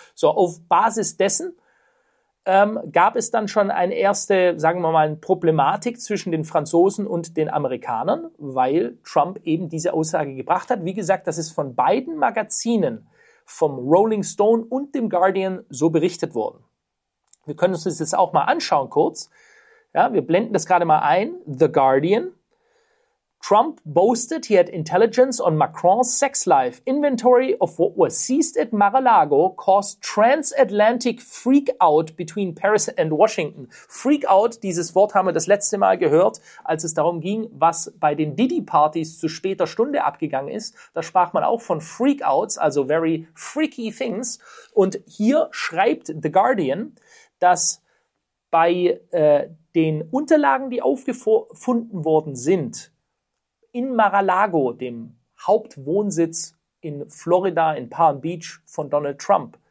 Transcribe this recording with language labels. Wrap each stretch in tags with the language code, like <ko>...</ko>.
<de>So, auf Basis dessen gab es dann schon eine erste, sagen wir mal, eine Problematik zwischen den Franzosen und den Amerikanern, weil Trump eben diese Aussage gebracht hat. Wie gesagt, das ist von beiden Magazinen, vom Rolling Stone und dem Guardian, so berichtet worden. Wir können uns das jetzt auch mal anschauen kurz. Ja, wir blenden das gerade mal ein.</de> <en>The Guardian. Trump boasted he had intelligence on Macron's sex life. Inventory of what was seized at Mar-a-Lago caused transatlantic freak out between Paris and Washington.</en> <de>Freak out, dieses Wort haben wir das letzte Mal gehört, als es darum ging, was bei den Diddy-Partys zu später Stunde abgegangen ist. Da sprach man auch von freak outs, also</de> <en>very freaky things.</en> <de>Und hier schreibt The Guardian, dass bei den Unterlagen, die aufgefunden worden sind, in Mar-a-Lago, dem Hauptwohnsitz in Florida, in Palm Beach von Donald Trump.</de>